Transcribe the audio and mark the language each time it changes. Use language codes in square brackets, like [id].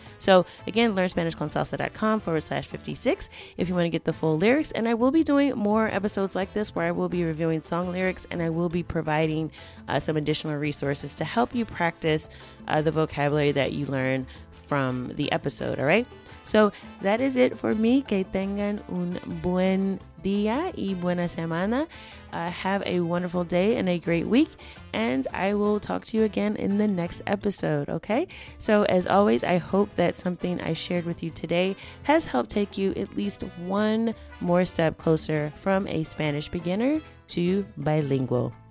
[en] So again, learnspanishconsalsa.com/56 if you want to get the full lyrics. And I will be doing more episodes like this where I will be reviewing song lyrics, and I will be providing some additional resources to help you practice the vocabulary that you learn from the episode. All right. So that is it for me. [es] Que tengan un buen día y buena semana. [en] Have a wonderful day and a great week. And I will talk to you again in the next episode. Okay. So as always, I hope that something I shared with you today has helped take you at least one more step closer from a Spanish beginner to bilingual.